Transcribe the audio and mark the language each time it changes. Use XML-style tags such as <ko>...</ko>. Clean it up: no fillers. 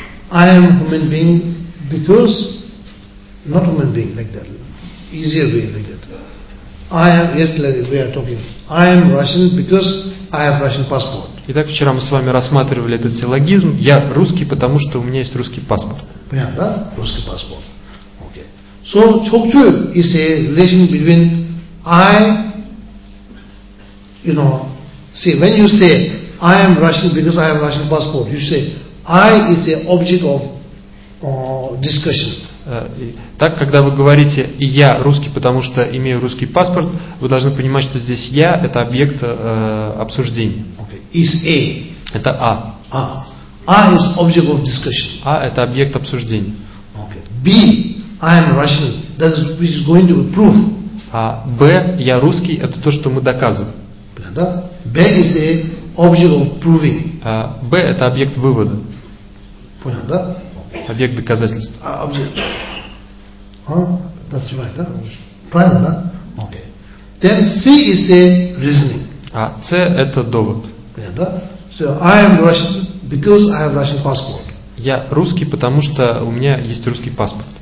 <en>I am human being because not human being like that. Easier way like that. I am, yes, like we are talking. I am Russian because I have Russian passport.</en> <ru>Итак, вчера мы с вами рассматривали этот силлогизм. Я русский, потому что у меня есть русский паспорт. Понятно, да? Русский паспорт.</ru> <en>So, чокчу is a relation between I, you know, see, when you say, I am Russian because I have Russian passport, you say, I is a object of discussion.</en> <ru>Так, когда вы говорите «я русский, потому что имею русский паспорт», вы должны понимать, что здесь «я» — это объект обсуждения.</ru> <en>Okay. Is A.</en> <ru>Это «а».</ru> <en>A. A is object of discussion.</en> <ru>«А» — это объект обсуждения.</ru> <en>Okay. B. I am Russian. That is going to be proof.</en> <ru>А «б» — «я русский» — это то, что мы доказываем. Да?</ru> <en>B is a object of proving.</en> <ru>А «б» — это объект вывода. Понял, да? Объект доказательств. Объект.</ru> <en>That's right,</en> <ru>да? Правильно, да?</ru> <en>Okay. Then C is a reasoning.</en> <ru>А C это довод.</ru> <en>Yeah,</en> <ru>да?</ru> <en>So I am Russian because I have Russian passport.</en> <ru>Я русский, потому что у меня есть русский паспорт.</ru>